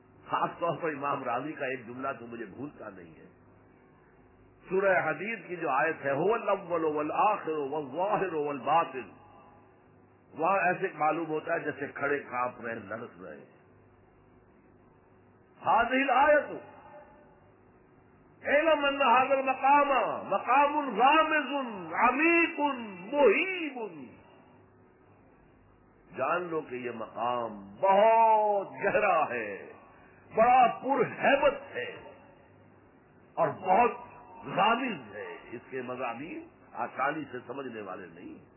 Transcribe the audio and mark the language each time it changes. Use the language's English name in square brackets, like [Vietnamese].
[Urdu] خاص طور پر امام راضی کا ایک جملہ تو مجھے بھولتا نہیں ہے, سورہ حدید کی جو آیت ہے, [Arabic] هو الاول والآخر والظاہر والباطن. [Urdu] وہاں ایسے معلوم ہوتا ہے جیسے کھڑے کانپ رہے, لرز رہے. [Arabic] هذه الآیت علم ان هذا المقام مقام غامض عمیق مہیب. [Urdu] جان لو کہ یہ مقام بہت گہرا ہے, بڑا پر ہیبت ہے اور بہت غامض ہے. اس کے مضامین آسانی سے سمجھنے والے نہیں.